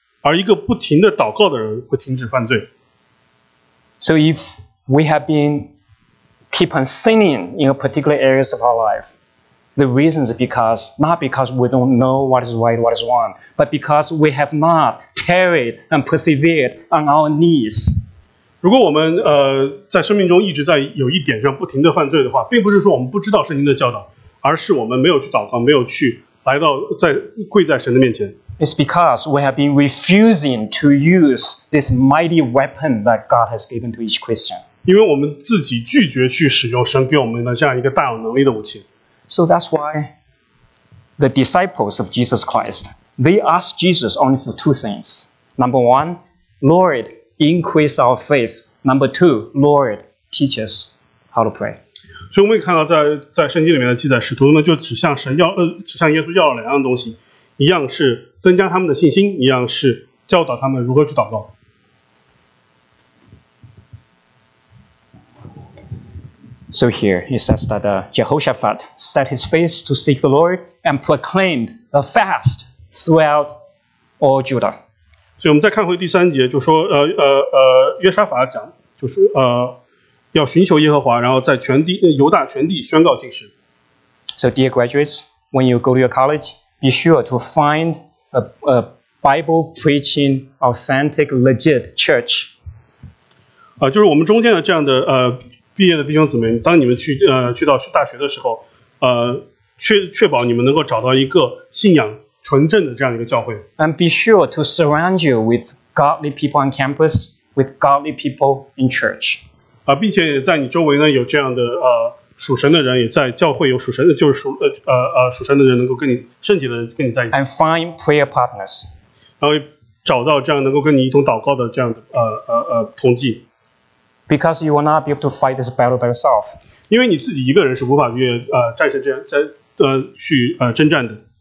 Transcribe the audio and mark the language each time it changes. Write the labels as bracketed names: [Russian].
[Chinese] 而一个不停的祷告的人会停止犯罪。 [English] So if we have been keep on sinning in a particular areas of our life, the reason is because, not because we don't know what is right, what is wrong, but because we have not tarried and persevered on our knees. [Chinese] 如果我们在生命中一直在有一点上不停的犯罪的话，并不是说我们不知道圣经的教导，而是我们没有去祷告，没有去来到在跪在神的面前。 [English] It's because we have been refusing to use this mighty weapon that God has given to each Christian. [Chinese] 因为我们自己拒绝去使用神给我们的这样一个大有能力的武器。 [English] So that's why the disciples of Jesus Christ, they asked Jesus only for two things. Number one, Lord, increase our faith. Number two, Lord, teach us how to pray. [Chinese] 所以我们看到在圣经里面的记载，使徒呢就指向神要指向耶稣要了两样东西。一样是增加他们的信心，一样是教导他们如何去祷告。 [English] So here he says that Jehoshaphat set his face to seek the Lord and proclaimed a fast throughout all Judah. [Chinese] 所以我们再看回第三节，就说约沙法讲，就是要寻求耶和华，然后在全地犹大全地宣告禁食。 [English] So dear graduates, when you go to your college. Be sure to find a Bible preaching authentic legit church. [Chinese] 就是我们中间的这样的毕业的弟兄姊妹，当你们去到大学的时候，确保你们能够找到一个信仰纯正的这样一个教会。 [English] And be sure to surround you with godly people on campus, with godly people in church. [Chinese] 并且在你周围呢有这样的属神的人也在教会有属神的，就是属神的人能够跟你圣洁的人跟你在一起。 [English] And find prayer partners. [Chinese] 然后找到这样能够跟你一同祷告的这样的同济。 [English] Because you will not be able to fight this battle by yourself. [Chinese] 因为你自己一个人是无法越战胜这样去征战的。